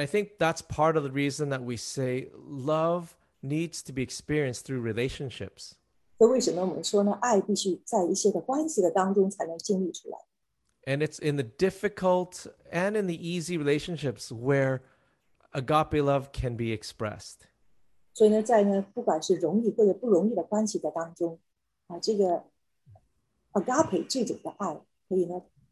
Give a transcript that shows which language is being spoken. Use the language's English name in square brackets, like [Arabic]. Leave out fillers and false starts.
[English] I think that's part of the reason that we say love needs to be experienced through relationships. [Chinese] 所以为什么我们说呢,爱必须在一些的关系的当中才能经历出来。 [English] And it's in the difficult and in the easy relationships where agape love can be expressed. [Chinese] 所以呢,在呢,不管是容易或者不容易的关系的当中,这个agape这种的爱可以呢。